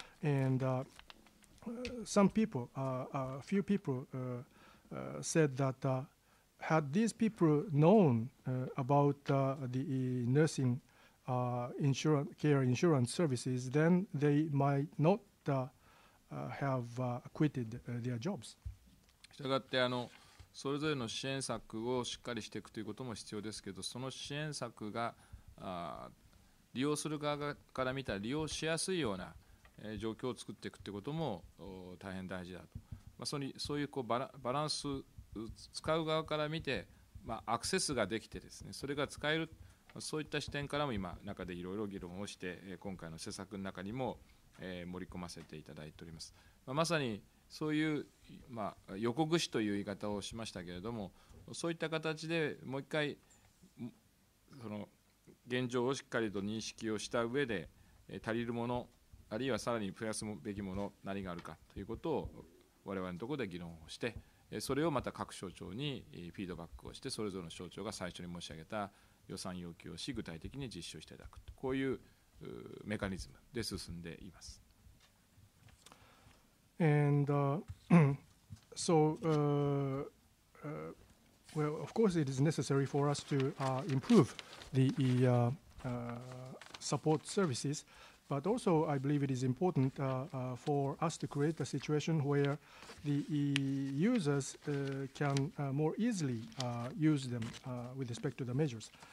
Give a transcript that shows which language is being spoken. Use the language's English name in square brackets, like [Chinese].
[English] And some people, a few people said that had these people known about the nursing insurance care insurance services, then they might not have quitted their jobs. [Japanese] したがってそれぞれの支援策をしっかりしていくということも必要ですけど、その支援策が利用する側から見たら利用しやすいような状況を作っていくということも大変大事だと。まあ、そういうバランス使う側から見て、まあ、アクセスができてですね、それが使える、そういった視点からも今中でいろいろ議論をして今回の施策の中にも盛り込ませていただいております。まあ、まさにそういう、まあ、横串という言い方をしましたけれども、そういった形でもう一回その現状をしっかりと認識をした上で、足りるもの、あるいはさらに増やすべきもの、何があるかということを我々のところで議論をして、それをまた各省庁にフィードバックをして、それぞれの省庁が最初に申し上げた予算要求をし、具体的に実施をしていただく、こういうメカニズムで進んでいます。 [English] And well, of course, it is necessary for us to improve the support services, but also I believe it is important for us to create a situation where the users can more easily use them with respect to the measures.